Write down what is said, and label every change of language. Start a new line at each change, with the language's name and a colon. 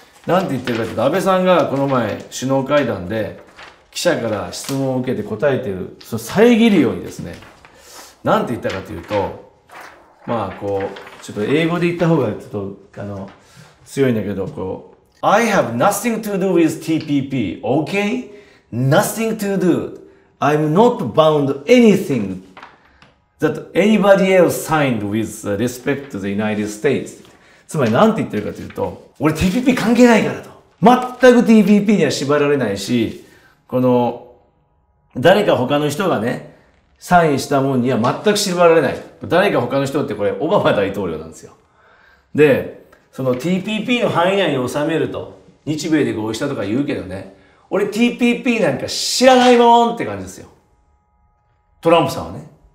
Japanese: なんて言ってるかというと、安倍さんがこの前、首脳会談で、記者から質問を受けて答えている、その遮るようにですね、なんて言ったかというと、まあ、こう、ちょっと英語で言った方が、ちょっと、強いんだけど、こう、
English: I have nothing to do with TPP, okay? Nothing to do. I'm not bound anything that anybody else signed with respect to the United States.
Japanese: つまり、なんて言ってるかというと、俺 TPP 関係ないからと。全く TPP には縛られないし、この、誰か他の人がね、サインしたもんには全く縛られない。誰か他の人ってこれ、オバマ大統領なんですよ。で、その TPP の範囲内に収めると、日米で合意したとか言うけどね、俺 TPP なんか知らないもんって感じですよ。トランプさんはね。